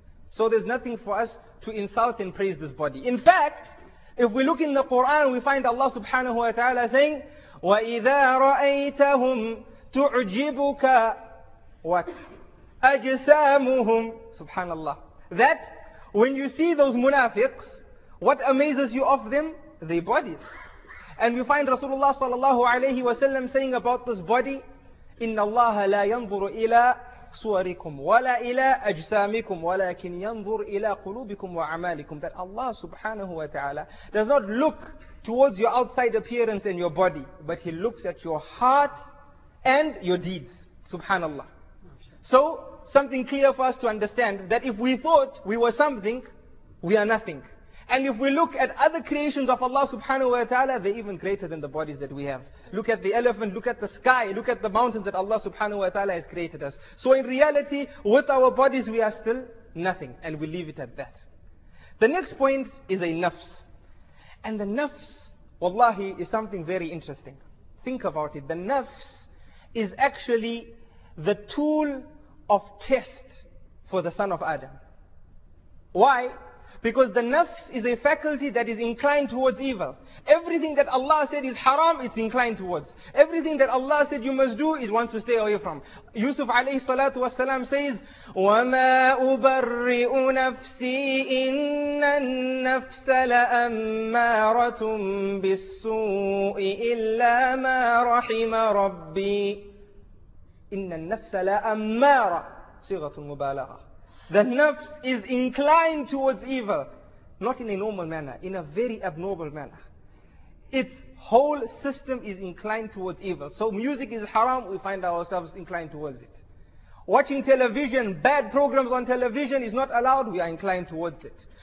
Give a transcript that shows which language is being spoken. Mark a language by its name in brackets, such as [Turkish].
[English] So there's nothing for us to insult and praise this body. In fact, if we look in the Quran, we find Allah subhanahu wa ta'ala saying, [Arabic] وَإِذَا رَأَيْتَهُمْ تُعْجِبُكَ [English] what? [Arabic] أَجْسَامُهُمْ. Subhanallah. [English] That when you see those munafiqs, what amazes you of them? Their bodies. And we find Rasulullah sallallahu alayhi wa sallam saying about this body, [Arabic] إِنَّ اللَّهَ لَا يَنْظُرُ إِلَىٰ صُوَرِكُمْ وَلَا إِلَىٰ أَجْسَامِكُمْ وَلَكِنْ يَنْظُرُ إِلَىٰ قُلُوبِكُمْ وَعَمَالِكُمْ. [English] That Allah subhanahu wa ta'ala does not look towards your outside appearance and your body, but He looks at your heart and your deeds. Subhanallah. So, something clear for us to understand that if we thought we were something, we are nothing. And if we look at other creations of Allah subhanahu wa ta'ala, they're even greater than the bodies that we have. Look at the elephant, look at the sky, look at the mountains that Allah subhanahu wa ta'ala has created us. So in reality, with our bodies we are still nothing. And we leave it at that. The next point is a nafs. And the nafs, wallahi, is something very interesting. Think about it. The nafs is actually the tool of test for the son of Adam. Why? Because the nafs is a faculty that is inclined towards evil. Everything that Allah said is haram, it's inclined towards. Everything that Allah said you must do, it wants to stay away from. Yusuf alayhi salatu wasalam says, [Arabic] وَمَا أُبَرِّئُ نَفْسِي إِنَّ النَّفْسَ لَأَمَّارَةٌ بِالسُّوءِ إِلَّا مَا رَحِمَ رَبِّي. إِنَّ النَّفْسَ لَأَمَّارَةٌ صِغَةٌ مُبَالَغَةٌ. [English] The nafs is inclined towards evil, not in a normal manner, in a very abnormal manner. Its whole system is inclined towards evil. So music is haram, we find ourselves inclined towards it. Watching television, bad programs on television is not allowed, we are inclined towards it.